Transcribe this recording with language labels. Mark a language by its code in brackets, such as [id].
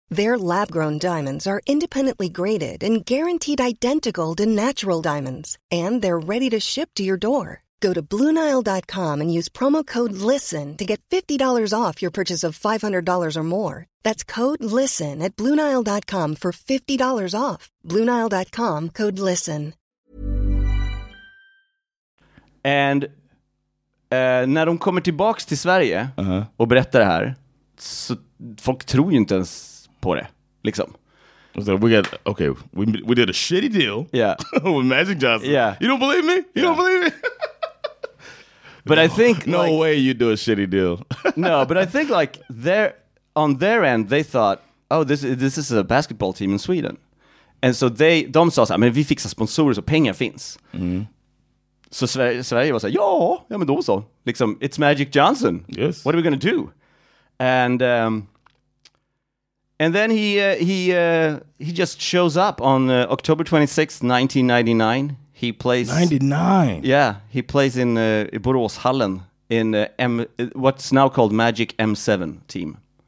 [en] Their lab-grown diamonds are independently graded and guaranteed identical to natural diamonds. And they're ready to ship to your door. Go to BlueNile.com and use promo code LISTEN to get $50 off your purchase of $500 or more. That's code LISTEN at BlueNile.com for $50 off. BlueNile.com, code LISTEN. [sv] And när de kommer tillbaka till Sverige och berättar det här, så folk tror ju inte ens på det, liksom. [en] So we got, okay, we did a shitty deal. Yeah. With Magic Johnson. Yeah. You don't believe me? Don't believe me? But no, I think... No, like, way you do a shitty deal. No, but I think, like, on their end, they thought, oh, this is a basketball team in Sweden. And so [sv] de sa så här, men vi fixar sponsorer så pengar finns. Så Sverige var så här, ja, men då så. [en] Liksom, it's Magic Johnson. Yes. What are we going to do? And... And then he just shows up on October 26th, 1999. He plays 99. Yeah, he plays in Borås Hallen in what's now called Magic M7 team.